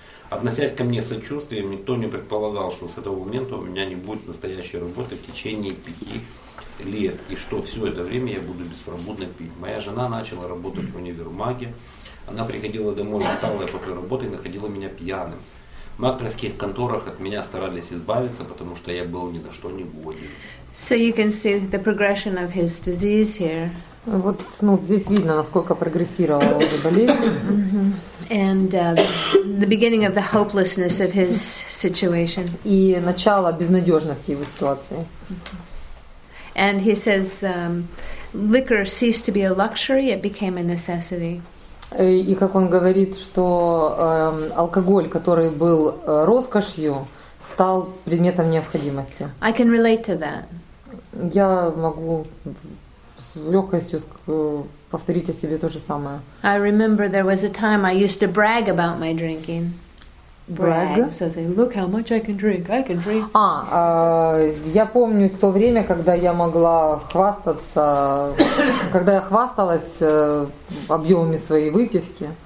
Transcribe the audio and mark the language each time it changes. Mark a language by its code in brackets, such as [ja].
[ru] Относясь ко мне с сочувствием, никто не предполагал, что с этого момента у меня не будет настоящей работы в течение 5 лет, и что все это время я буду беспробудно пить. Моя жена начала работать в универмаге. Она приходила домой, усталая после работы, и находила меня пьяным. В маклерских конторах от меня старались избавиться, потому что я был ни на что не годен. [en] So you can see the progression of his disease here. [ru] Вот, ну, здесь видно, насколько прогрессировала его болезнь. [en] And the beginning of the hopelessness of his situation. [ru] И начало безнадежности его ситуации. [en] And he says, liquor ceased to be a luxury, it became a necessity. [ru] И как он говорит, что алкоголь, который был роскошью, стал предметом необходимости. [en] I can relate to that. [ru] Я могу с легкостью повторить о себе то же самое. [en] I remember there was a time I used to brag about my drinking. Brag? So say, look how much I can drink, I can drink. [ru] А, я помню то время, когда я могла хвастаться, когда я хвасталась объемами своей выпивки.